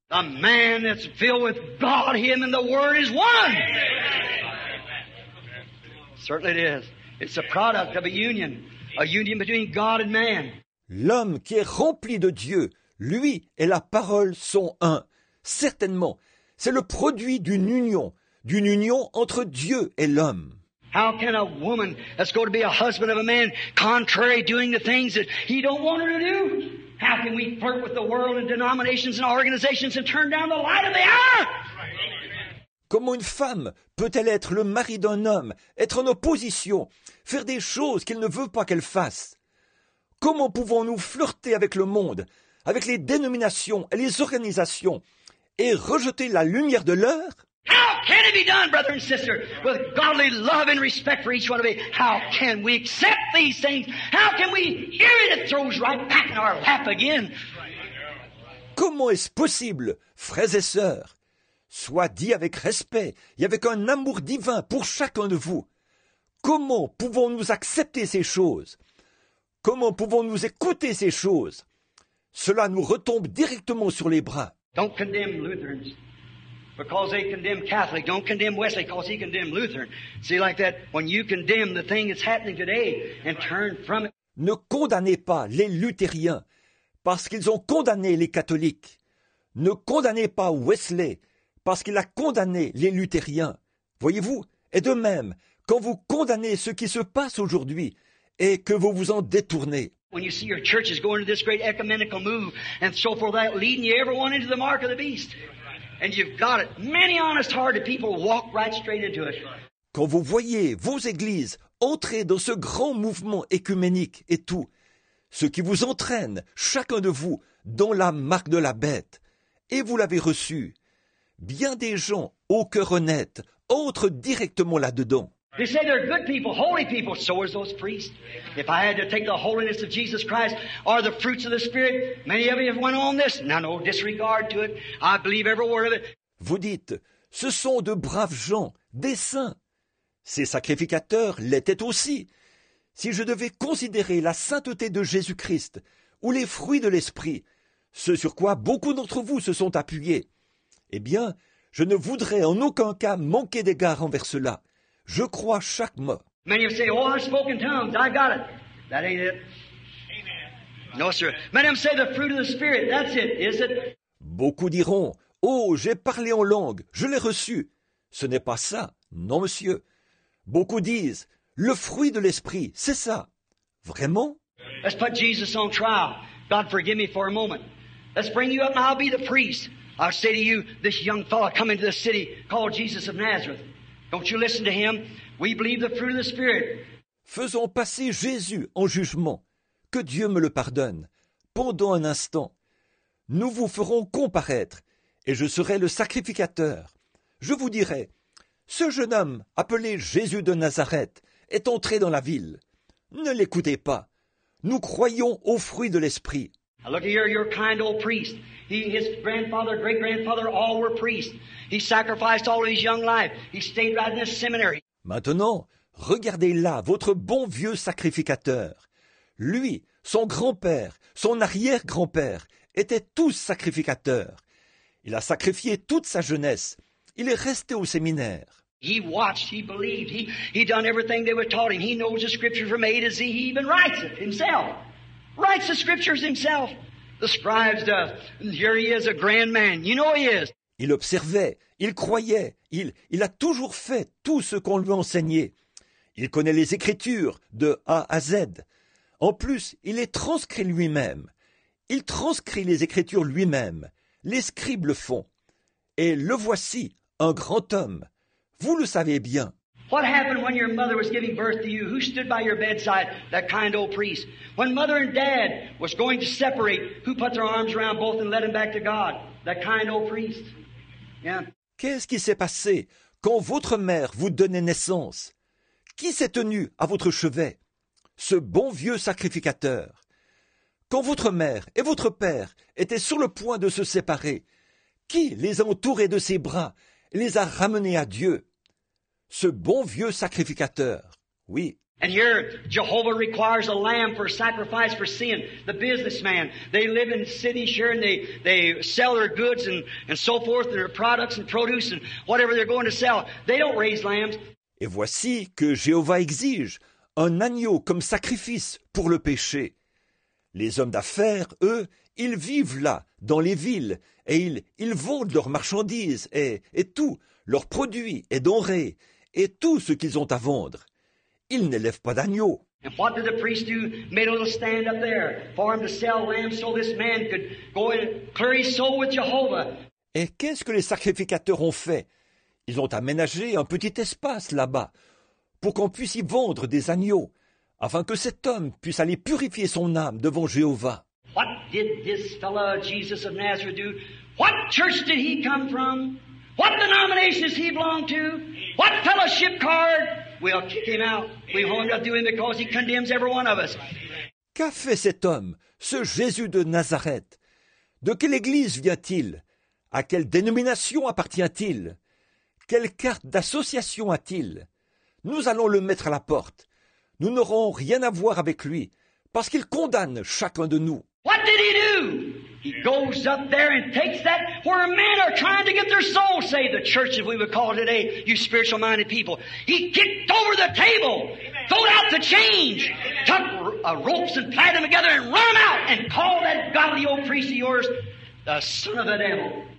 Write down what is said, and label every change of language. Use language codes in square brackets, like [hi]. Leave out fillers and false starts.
[en] The man that's filled with God, him and the Word is one. Certainly it is. It's a product of a union. A union between God and man. [fr] L'homme qui est rempli de Dieu, lui et la parole sont un. Certainement, c'est le produit d'une union entre Dieu et l'homme. [en] How can a woman that's going to be a husband of a man contrary doing the things that he don't want her to do? How can we flirt with the world and denominations and organizations and turn down the light of the hour? [fr] Comment une femme peut-elle être le mari d'un homme, être en opposition, faire des choses qu'il ne veut pas qu'elle fasse? Comment pouvons-nous flirter avec le monde, avec les dénominations et les organisations, et rejeter la lumière de l'heure? [en] How can it be done, brother and sister, with godly love and respect for each one of you? How can we accept these things? How can we hear it? It throws right back in our lap again. [fr] Comment est-ce possible, frères et sœurs? Soit dit avec respect et avec un amour divin pour chacun de vous. Comment pouvons-nous accepter ces choses? Comment pouvons-nous écouter ces choses? Cela nous retombe directement sur les bras. [en] Don't condemn Lutherans because they condemn Catholics. Don't condemn Wesley because he condemned Lutheran. See, like that, when you condemn the thing that's happening today and turn from it. [fr] Ne condamnez pas les luthériens parce qu'ils ont condamné les catholiques. Ne condamnez pas Wesley parce qu'il a condamné les luthériens. Voyez-vous, et de même, quand vous condamnez ce qui se passe aujourd'hui et que vous vous en détournez. [en] When you see your church is going to this great ecumenical move and so forth, that leading you everyone into the mark of the beast. And you've got it. Many honest-hearted people walk right straight into it. [fr] Quand vous voyez vos églises entrer dans ce grand mouvement écuménique et tout, ce qui vous entraîne, chacun de vous, dans la marque de la bête, et vous l'avez reçu, bien des gens au cœur honnête entrent directement là-dedans. [en] They say they're good people, holy people. So are those priests. If I had to take the holiness of Jesus Christ or the fruits of the Spirit, many of you have went on this. Now, no disregard to it. I believe every word of it. [fr] Vous dites, ce sont de braves gens, des saints. Ces sacrificateurs l'étaient aussi. Si je devais considérer la sainteté de Jésus-Christ ou les fruits de l'Esprit, ce sur quoi beaucoup d'entre vous se sont appuyés, eh bien, je ne voudrais en aucun cas manquer d'égard envers cela. Je crois chaque mot. [en] Many of you say, oh, I've spoken tongues, I got it. That ain't it. Amen. No, sir. Many of them say the fruit of the Spirit, that's it, is it? [fr] Beaucoup diront, oh, j'ai parlé en langue, je l'ai reçu. Ce n'est pas ça, non, monsieur. Beaucoup disent, le fruit de l'Esprit, c'est ça. Vraiment? [en] Let's put Jesus on trial. God, forgive me for a moment. Let's bring you up and I'll be the priest. I'll say to you, this young fellow come into the city called Jesus of Nazareth. Don't you listen to him? We believe the fruit of the Spirit. [fr] Faisons passer Jésus en jugement. Que Dieu me le pardonne. Pendant un instant, nous vous ferons comparaître et je serai le sacrificateur. Je vous dirai, ce jeune homme appelé Jésus de Nazareth est entré dans la ville. Ne l'écoutez pas. Nous croyons au fruit de l'Esprit. [en] I look at your kind old priest. He, his grandfather, great-grandfather, all were priests. He sacrificed all his young life. He stayed right in the seminary. [fr] Maintenant, regardez là votre bon vieux sacrificateur. Lui, son grand-père, son arrière-grand-père, étaient tous sacrificateurs. Il a sacrifié toute sa jeunesse. Il est resté au séminaire. [en] He watched, he believed, he done everything they were taught him. He knows the scriptures from A to Z. He even writes it himself. Writes the scriptures himself. The scribes, here he is, a grand man. You know he is. [fr] Il observait, il croyait, il a toujours fait tout ce qu'on lui enseignait. Il connaît les Écritures de A à Z. En plus, il les transcrit lui-même. Il transcrit les Écritures lui-même. Les scribes le font. Et le voici, un grand homme. Vous le savez bien. [en] What happened when your mother was giving birth to you? Who stood by your bedside? That kind old priest. When mother and dad was going to separate, who put their arms around both and led them back to God? That kind old priest. Yeah. [fr] Qu'est-ce qui s'est passé quand votre mère vous donnait naissance? Qui s'est tenu à votre chevet? Ce bon vieux sacrificateur. Quand votre mère et votre père étaient sur le point de se séparer, qui les a entourés de ses bras et les a ramenés à Dieu? Ce bon vieux sacrificateur, oui. [en] And here, Jehovah requires a lamb for sacrifice for sin. The businessman, they live in cities here and they sell their goods and so forth, their products and produce and whatever they're going to sell. They don't raise lambs. [fr] Et voici que Jéhovah exige un agneau comme sacrifice pour le péché. Les hommes d'affaires, eux, ils vivent là, dans les villes, et ils vendent leurs marchandises et tout, leurs produits et denrées, et tout ce qu'ils ont à vendre. Ils n'élèvent pas d'agneau. [en] And what did the priest do? Made a little stand up there for him to sell lambs so this man could go and clear his soul with Jehovah. [fr] Et qu'est-ce que les sacrificateurs ont fait? Ils ont aménagé un petit espace là-bas pour qu'on puisse y vendre des agneaux, afin que cet homme puisse aller purifier son âme devant Jéhovah. [en] What did this fellow Jesus of Nazareth do? What church did he come from? What denomination does he belong to? What fellowship card? We'll kick him out. We won't do him because he condemns every one of us. [fr] Qu'a fait cet homme, ce Jésus de Nazareth? De quelle église vient-il? À quelle dénomination appartient-il? Quelle carte d'association a-t-il? Nous allons le mettre à la porte. Nous n'aurons rien à voir avec lui, parce qu'il condamne chacun de nous. [en] What did he do? He goes up there and takes that where men are trying to get their souls saved, the church as we would call it today, you spiritual-minded people. He kicked over the table, threw out the change, took ropes and tied them together and run out and called that godly old priest of yours the son of the devil.